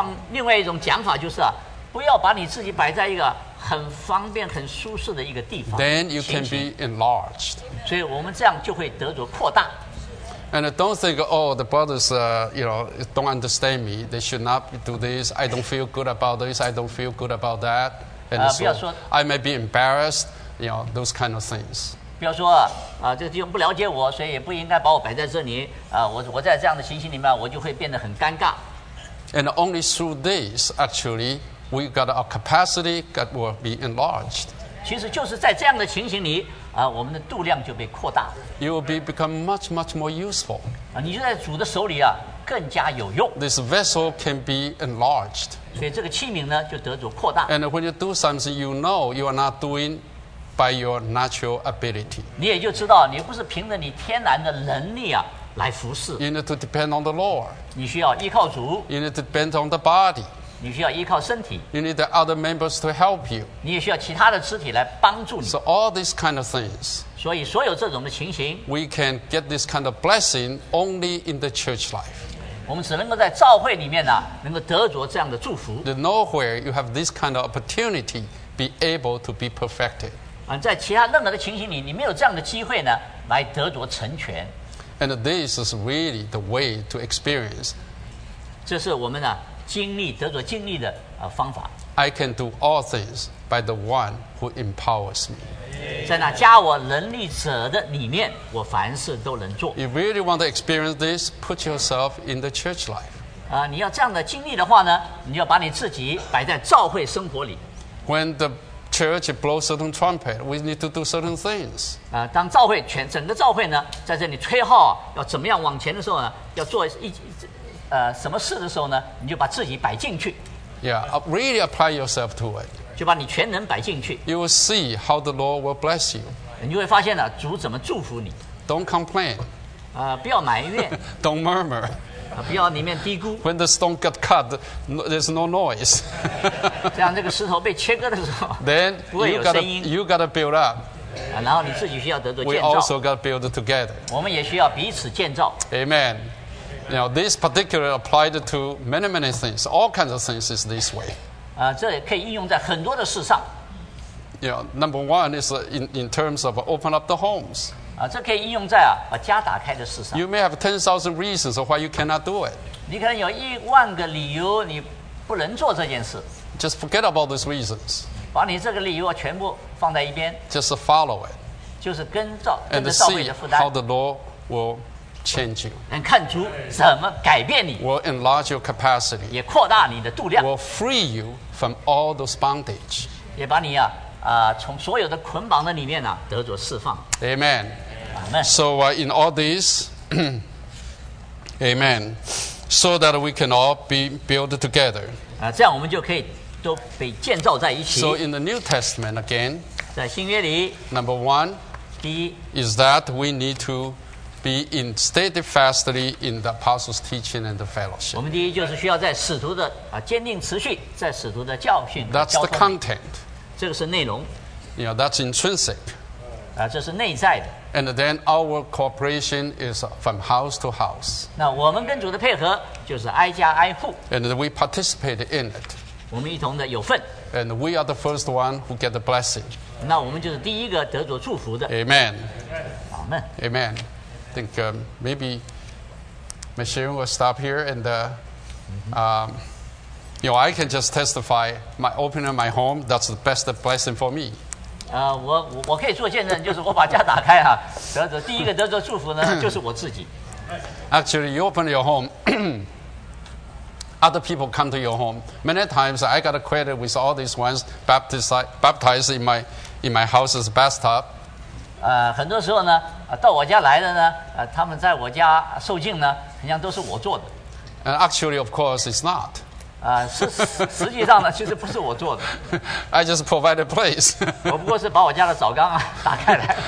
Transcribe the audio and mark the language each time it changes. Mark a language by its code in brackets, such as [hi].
[zh] 另外一种讲法就是不要把你自己摆在一个很方便很舒适的一个地方。 [en] Then you can be enlarged. [zh] 所以我们这样就会得着扩大。 [en] And don't think, oh, the brothers, don't understand me. They should not do this. I don't feel good about this. I don't feel good about that. And so I may be embarrassed, those kind of things. [zh] 比如说这个弟兄不了解我，所以也不应该把我摆在这里。我在这样的情形里面，我就会变得很尴尬。 [en] And only through this, actually, we got our capacity that will be enlarged. [zh] 其实就是在这样的情形里，我们的度量就被扩大。 [en] You will be become much, much more useful. [zh] 你就在主的手里啊，更加有用。 [en] This vessel can be enlarged. [zh] 所以这个器皿呢，就得主扩大。 [en] And when you do something, you know you are not doing by your natural ability. [zh] 你也就知道，你不是凭着你天然的能力啊。来服侍。 [en] You need to depend on the Lord. [zh] 你需要依靠主。 [en] You need to depend on the body. [zh] 你需要依靠身体。 [en] You need the other members to help you. [zh] 你也需要其他的肢体来帮助你。 [en] So all these kind of things. [zh] 所以所有这种的情形。 [en] We can get this kind of blessing only in the church life. [zh] 我们只能够在召会里面呢，能够得着这样的祝福。 [en] The nowhere you have this kind of opportunity, be able to be perfected. [zh] 在其他任何的情形里，你没有这样的机会呢，来得着成全。 [en] And this is really the way to experience. [zh] 这是我们呢经历得着经历的方法。 [en] I can do all things by the one who empowers me. [zh] 在那加我能力者的里面，我凡事都能做。 [en] You really want to experience this? Put yourself in the church life. [zh] 你要这样的经历的话呢，你要把你自己摆在召会生活里。 [en] When the church blows certain trumpet, we need to do certain things. [zh] 当召会全整个召会呢，在这里吹号，要怎么样往前的时候呢？要做什么事的时候呢？你就把自己摆进去。 [en] Yeah, really apply yourself to it. [zh] 就把你全能摆进去。 [en] You will see how the Lord will bless you. [zh] 你就会发现主怎么祝福你。 [en] Don't complain. [zh] 不要埋怨。 [en] Don't murmur. [zh] 不要里面嘀咕。 [en] When the stone got cut, there's no noise. [zh] 这样这个石头被切割的时候， [en] Then you got to build up. [zh] 然后你自己需要得到建造。 [en] We also got to build together. [zh] 我们也需要彼此建造。 [en] Amen. Now this particular applied to many, many things. All kinds of things is this way. [zh] 这可以应用在很多的事上。 [en] You know, number one is in terms of open up the homes. [zh] 这可以应用在把家打开的事上。 [en] You may have 10,000 reasons why you cannot do it. [zh] 你可能有10,000个理由你不能做这件事。 [en] Just forget about those reasons. [zh] 把你这个理由全部放在一边。 [en] Just follow it. [zh] 就是跟着照顾的负担。 [en] And see how the Lord will change you. [zh] 看主怎么改变你。 [en] Will enlarge your capacity. [zh] 也扩大你的度量。 [en] Will free you from all those bondage. [zh] 也把你从所有的捆绑的里面得着释放。 [en] Amen. Amen. So in all this, Amen. So that we can all be built together. [zh] 这样我们就可以都被建造在一起。 [en] So in the New Testament again, [zh] 在新约里 [en] number one, [zh] 第一 [en] is that we need to be in steadfastly in the apostles' teaching and the fellowship. [zh] 我们第一就是需要在使徒的坚定持续在使徒的教训。 [en] That's the content. [zh] 这个是内容。 [en] You know, that's intrinsic. [zh] 这是内在的。 [en] And then our cooperation is from house to house. [zh] 那我们跟主的配合就是挨家挨户。 [en] And we participate in it. [zh] 我们一同的有份。 [en] And we are the first one who get the blessing. [zh] 那我们就是第一个得着祝福的。 [en] Amen. Amen. Amen. I think maybe Michelle will stop here and You know, I can just testify, my opening my home, that's the best blessing for me. [zh] 我可以做见证，就是我把家打开啊，第一个得着祝福呢，就是我自己。 [en] Actually, you open your home, other people come to your home. Many times I got acquainted with all these ones baptized in my house's bathtub. [zh] 很多时候呢，到我家来的呢，他们在我家受浸呢，好像都是我做的。 [en] And actually, of course, it's not. [zh] 实际上呢，其实不是我做的。 [en] I just provide a place. [zh] 我不过是把我家的澡缸打开来。